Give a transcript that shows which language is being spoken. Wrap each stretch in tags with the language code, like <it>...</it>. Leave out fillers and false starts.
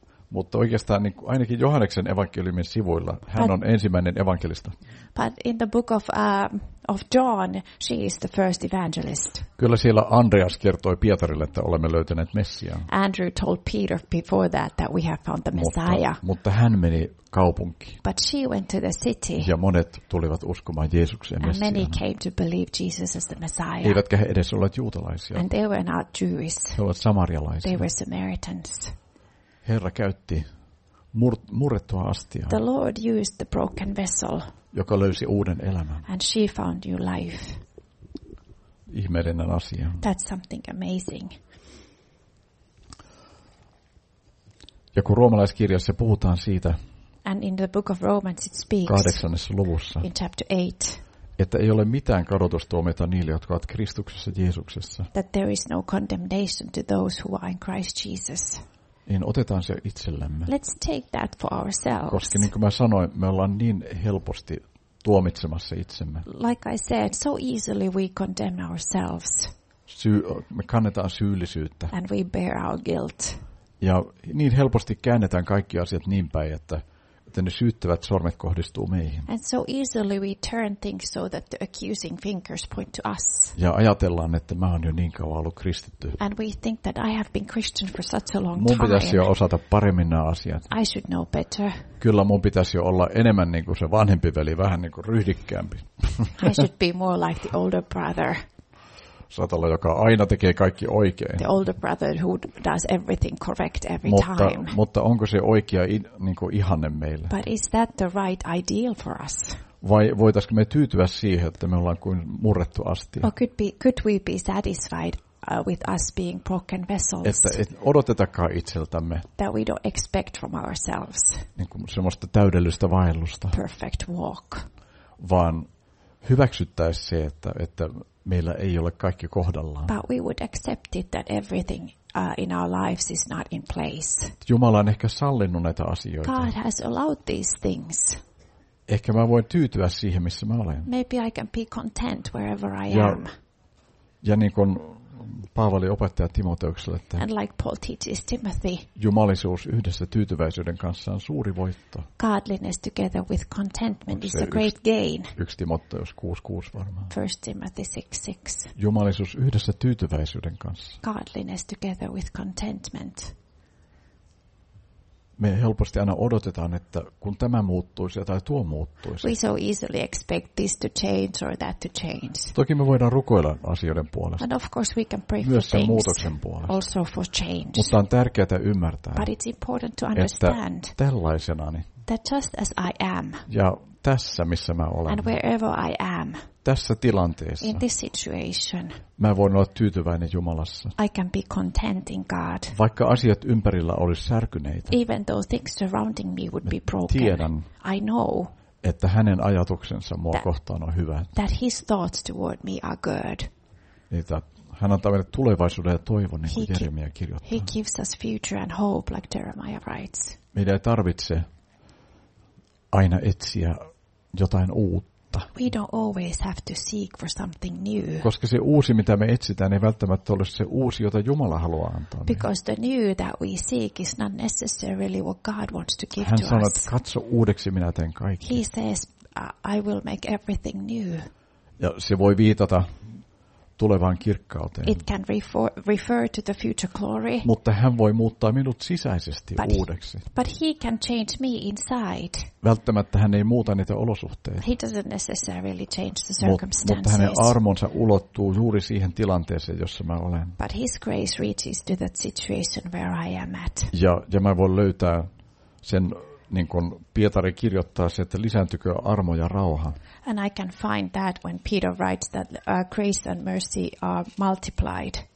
<fi>mutta oikeastaan niin kuin ainakin Johanneksen evankeliumin sivuilla hän on ensimmäinen evankelista.</fi> <en>But in the book of John, she is the first evangelist.</en> <fi>Kyllä siellä Andreas kertoi Pietarille, että olemme löytäneet Messiaan.</fi> <en>Andrew told Peter before that we have found the Messiah.</en> <fi>Mutta hän meni kaupunkiin.</fi> <en>But she went to the city.</en> <fi>Ja monet tulivat uskomaan Jeesukseen Messiaan.</fi> <en>And many came to believe Jesus as the Messiah.</en> <fi>Eivätkä he edes olleet juutalaisia.</fi> <en>And they were not Jewish.</en> <fi>He olivat samarialaisia.</fi> <en>They were Samaritans.</en> <fi>Herra käytti murrettua astiaa.</fi> <en>The Lord used the broken vessel.</en> <fi>Joka löysi uuden elämän.</fi> <en>And she found new life.</en> <fi>Ihmeellinen asia.</fi> <en>That's something amazing.</en> <fi>Ja kun roomalaiskirjassa puhutaan siitä.</fi> <en>And in the book of Romans it speaks.</en> <fi>8. luvussa.</fi> <en>In chapter 8.</en> <fi>Että ei ole mitään kadotustuomiota niille, jotka ovat Kristuksessa Jeesuksessa.</fi> <en>That there is no condemnation to those who are in Christ Jesus.</en> <fi>Niin otetaan se itsellemme.</fi> <en>Let's take that for ourselves.</en> <fi>Koska niin kuin mä sanoin, me ollaan niin helposti tuomitsemassa itsemme.</fi> <en>Like I said, so easily we condemn ourselves.</en> <fi>Me kannetaan syyllisyyttä.</fi> <en>And we bear our guilt.</en> <fi>Ja niin helposti käännetään kaikki asiat niin päin, että ne syyttävät sormet kohdistuu meihin.</fi> <en>And so easily we turn things so that the accusing fingers point to us.</en> <fi>Ja ajatellaan, että mä oon jo niin kauan ollut kristitty.</fi> <en>And we think that I have been Christian for such a long time.</en> <fi>Mun pitäisi jo osata paremmin nämä asiat.</fi> <en>I should know better.</en> <fi>Kyllä mun pitäisi jo olla enemmän niin kuin se vanhempi veli, vähän niin kuin ryhdikkäämpi.</fi> <en>I should be more like the older brother.</en> <fi>Saat olla, joka aina tekee kaikki oikein.</fi> <en>The older brother who does everything correct every</en> <fi>mutta,</fi> <en>time.</en> <fi>Mutta onko se oikea niin kuin ihanne meille?</fi> <en>But is that the right ideal for us?</en> <fi>Vai voitaisko me tyytyä siihen, että me ollaan kuin murrettu astia?</fi> <en>Or could we be satisfied with us being broken vessels?</en> <fi>Että et odotetakaan itseltämme.</fi> <en>That we don't expect from ourselves.</en> <fi>Niin kuin semmoista täydellistä vaellusta.</fi> <en>Perfect walk.</en> <fi>Vaan hyväksyttäisi se, että meillä ei ole kaikki kohdallaan.</fi> <en>But we would accept it that everything in our lives is not in place.</en> <fi>Jumala on ehkä sallinut näitä asioita.</fi> <en>God has allowed these things.</en> <fi>Ehkä mä voin tyytyä siihen, missä mä olen.</fi> <en>Maybe I can be content wherever I am.</en> <fi>Ja niin kuin Paavali opettaja Timoteukselle, että</fi> <en>and like Paul teaches Timothy,</en> <fi>jumalisuus yhdessä tyytyväisyyden kanssa on suuri voitto.</fi> <en>Godliness together with contentment is a great gain.</en> <fi>1 Timoteus 6:6 varmaan.</fi> <en>1 Timothy 6:6.</en> <fi>Jumalisuus yhdessä tyytyväisyyden kanssa.</fi> <en>Godliness together with contentment.</en> <fi>Me helposti aina odotetaan, että kun tämä muuttuisi tai tuo muuttuisi.</fi> <en>We so easily expect this to change or that to change.</en> <fi>Toki me voidaan rukoilla asioiden puolesta.</fi> <en>And of course we can pray</en> <fi>myös</fi> <en>for things.</en> <fi>Myös muutoksen puolesta.</fi> <en>Also for change.</en> <fi>Mutta on tärkeää ymmärtää.</fi> <en>But it's important to understand.</en> <fi>Että tällaisenani.</fi> <en>That just as I am.</en> <fi>Ja tässä missä mä olen.</fi> <en>And wherever I am.</en> <fi>Tässä tilanteessa.</fi> <en>In this situation.</en> <fi>Mä voin olla tyytyväinen Jumalassa.</fi> <en>I can be content in God.</en> <fi>Vaikka asiat ympärillä olisi särkyneitä.</fi> <en>Even though things surrounding me would be broken.</en> <fi>Tiedän,</fi> <en>I know.</en> <fi>Että hänen ajatuksensa mua kohtaan on hyvä.</fi> <en>That his thoughts toward me are good.</en> <fi>Että hän antaa meille tulevaisuuden ja toivon, niin kuin Jeremia kirjoittaa.</fi> <en>He gives us future and hope, like Jeremiah writes.</en> <fi>Meidän ei tarvitse aina etsiä jotain uutta.</fi> <en>We don't always have to seek for something new.</en> <fi>Koska se uusi, mitä me etsitään, ei välttämättä ole se uusi, jota Jumala haluaa antaa.</fi> <en>Because the new that we seek is not necessarily what God wants to give to us.</en> <fi>Hän sanoo, että katso uudeksi, minä teen kaikki.</fi> <en>He says, I will make everything new.</en> <fi>Ja se voi viitata tulevaan kirkkauteen.</fi> <en>It can refer to the future glory.</en> <fi>Mutta hän voi muuttaa minut sisäisesti uudeksi.</fi> <en>But he can change me inside.</en> <fi>Välttämättä hän ei muuta niitä olosuhteita.</fi> <en>He doesn't necessarily change the circumstances.</en> <fi>Mutta hänen armonsa ulottuu juuri siihen tilanteeseen, jossa mä olen.</fi> <en>But his grace reaches to that situation where I am at.</en> <fi>Ja mä voin löytää sen, niin kuin Pietari kirjoittaa se, että lisääntykö armo ja rauha.</fi> <en>And I can find that when Peter writes that grace and mercy are multiplied.</en>